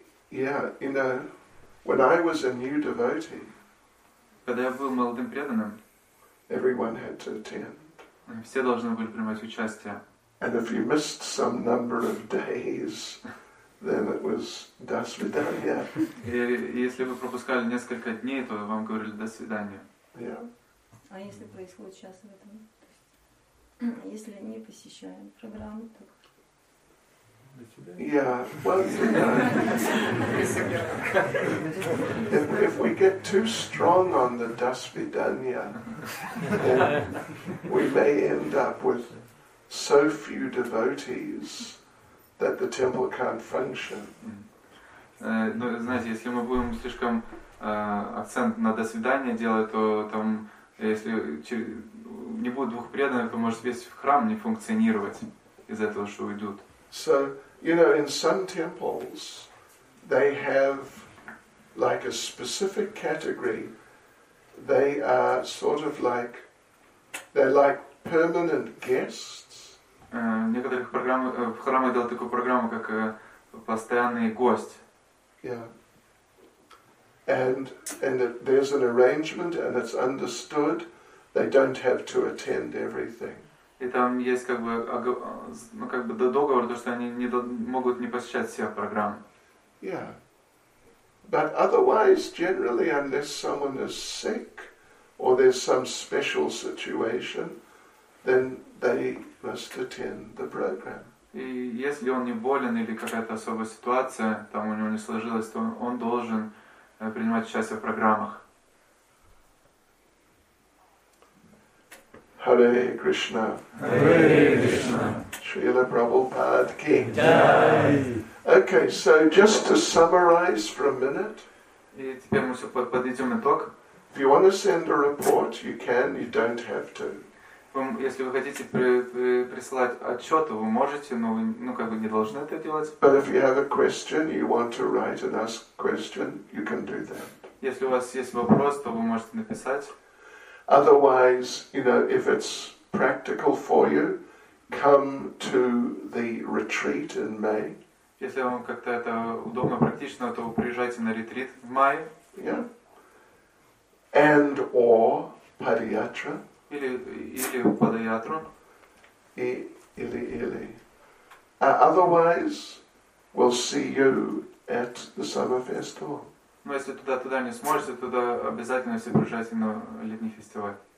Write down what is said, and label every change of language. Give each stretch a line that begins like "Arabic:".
English: Yeah, you know, when I was a new devotee,
Russian: когда я был молодым преданным,
English: everyone had to attend.
Russian: Все должны были принимать участие.
English: And if you missed some number of days, then it was
Russian: до свидания. И если вы пропускали несколько дней, то вам говорили до свидания.
English: Yeah.
Russian: А если происходит сейчас в этом? Если не посещаем программу, то...
English: Yeah, well, you know, if we get too strong on the dasvidanya, then we may end up with so few devotees that the temple can't function.
Russian: Ну, знаете, если мы будем слишком акцент на дасвидание делать, то там, если не будет двух преданных, то может весь храм не функционировать из-за того, что уйдут.
English: So, you know, in some temples, they have like a specific category. They are sort of like, they're like permanent guests.
Russian: Некоторых программ в храме делают такую программу, как постоянный гость.
English: Yeah. And there's an arrangement, and it's understood they don't have to attend everything.
Russian: И там есть как бы, ну, как бы договор, то, что они не могут не посещать все программы.
English: Yeah. But otherwise, generally, unless someone is sick or there's some special situation, then they must attend the program.
Russian: И если он не болен или какая-то особая ситуация, там у него не сложилось, то он должен принимать участие в программах.
English: Hare Krishna. Hare Krishna. Srila Prabhupada ki. Jai. Okay, so just to summarize for a minute.
Russian: И теперь мы все подведем итог.
English: If you want to send a report, you can, you don't have to.
Russian: Если вы хотите присылать отчет, вы можете, но вы, ну, как бы не должны это делать.
English: But if you have a question, you want to write and ask question, you can do that.
Russian: Если у вас есть вопрос, то вы можете написать.
English: Otherwise, you know, if it's practical for you, come to the retreat in May.
Russian: Если вам как-то это удобно, практично, то приезжайте на ретрит в мае.
English: Yeah. And or Padayatra.
Russian: Или Padayatra. Или.
English: Otherwise, we'll see you at the summer festival.
Russian: Но если туда-туда не сможете, туда обязательно все приезжайте на летний фестиваль.